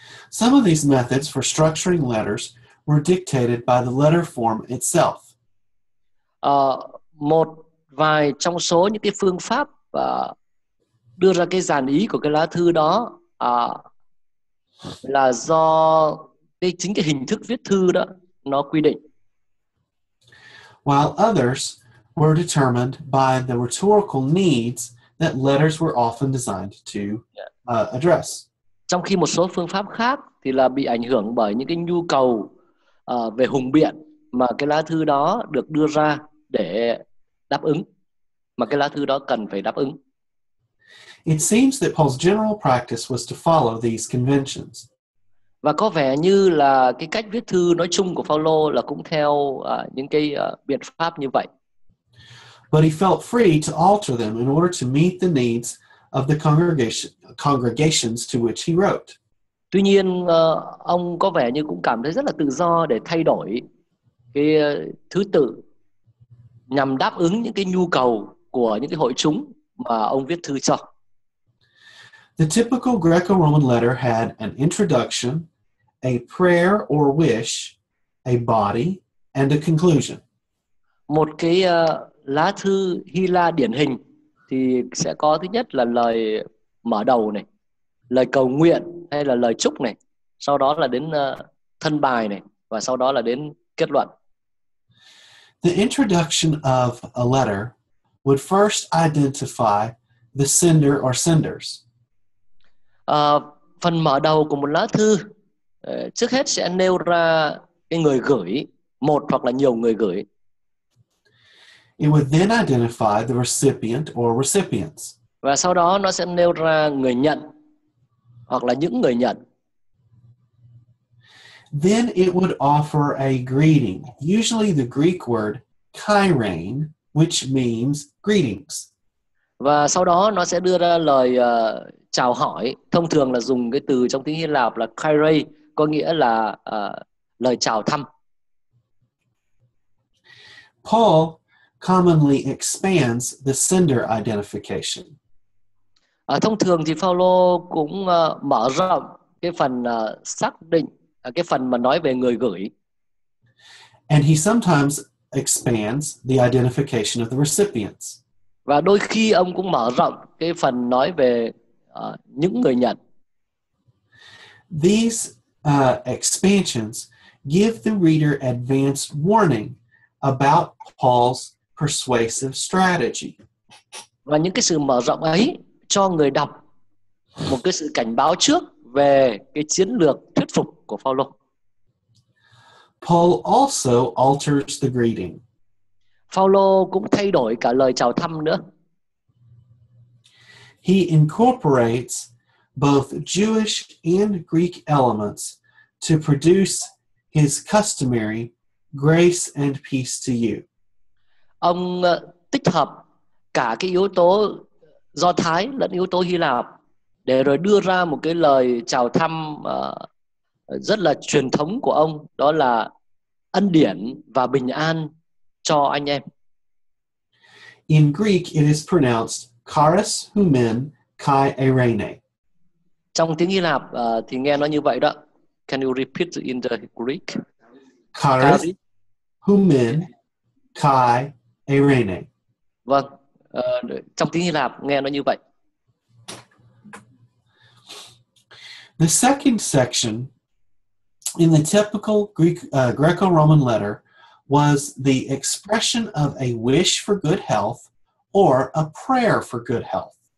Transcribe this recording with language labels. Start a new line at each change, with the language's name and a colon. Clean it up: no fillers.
English: Some of these methods for structuring letters were dictated by the letter form itself.
Vietnamese: Một vài trong số những cái phương pháp đưa ra cái dàn ý của cái lá thư đó là do cái chính cái hình thức viết thư đó nó quy định.
English: While others were determined by the rhetorical needs that letters were often designed to address.
Vietnamese: Trong khi một số phương pháp khác thì là bị ảnh hưởng bởi những cái nhu cầu về hùng biện mà cái lá thư đó được đưa ra để đáp ứng, mà cái lá thư đó cần phải đáp ứng.
English: It seems that Paul's general practice was to follow these conventions.
Vietnamese: Và có vẻ như là cái cách viết thư nói chung của Paulo là cũng theo những cái biện pháp như vậy.
English: But he felt free to alter them in order to meet the needs of the congregations to which he wrote.
Vietnamese: Tuy nhiên, ông có vẻ như cũng cảm thấy rất là tự do để thay đổi cái thứ tự nhằm đáp ứng những cái nhu cầu của những cái hội chúng mà ông viết thư cho.
English: The typical Greco-Roman letter had an introduction, a prayer or wish, a body, and a conclusion.
Vietnamese: Một cái lá thư Hy Lạp điển hình thì sẽ có thứ nhất là lời mở đầu này, lời cầu nguyện hay là lời chúc này, sau đó là đến thân bài này và sau đó là đến kết luận.
English: The introduction of a letter would first identify the sender or senders.
Vietnamese: Phần mở đầu của một lá thư trước hết sẽ nêu ra cái người gửi, một hoặc là nhiều người gửi.
English: It would then identify the recipient or recipients.
Vietnamese: Và sau đó nó sẽ nêu ra người nhận hoặc là những người nhận.
English: Then it would offer a greeting, usually the Greek word kyrene, which means greetings.
Vietnamese: Và sau đó nó sẽ đưa ra lời chào hỏi, thông thường là dùng cái từ trong tiếng Hy Lạp là kyrie, có nghĩa là lời chào thăm.
English: Paul commonly expands the sender identification.
Vietnamese: Thông thường thì Paulo cũng mở rộng cái phần xác định, cái phần mà nói về người gửi.
English: And he sometimes expands the identification of the recipients.
Vietnamese: Và đôi khi ông cũng mở rộng cái phần nói về những người nhận.
English: These expansions give the reader advanced warning about Paul's persuasive strategy.
Vietnamese: Và những cái sự mở rộng ấy cho người đọc một cái sự cảnh báo trước về cái chiến lược thuyết phục của Paulo.
English: Paul also alters the greeting.
Vietnamese: Paulo cũng thay đổi cả lời chào thăm nữa.
English: He incorporates both Jewish and Greek elements to produce his customary grace and peace to you.
Vietnamese: Ông tích hợp cả cái yếu tố Do Thái lẫn yếu tố Hy Lạp để rồi đưa ra một cái lời chào thăm rất là truyền thống của ông, đó là ân điển và bình an cho anh em.
English: In Greek it is pronounced
Greek: charis humen kai eirene.
Vietnamese: Trong tiếng Hy Lạp thì nghe nó như vậy đó.
English: Can you repeat in the Greek?
Greek: Charis humen kai eirene.
Vietnamese: Vâng. Trong tiếng Hy Lạp nghe nó như vậy.
English: The second section in the typical Greek Greco-Roman letter was the expression of a wish for good health or a prayer for good health.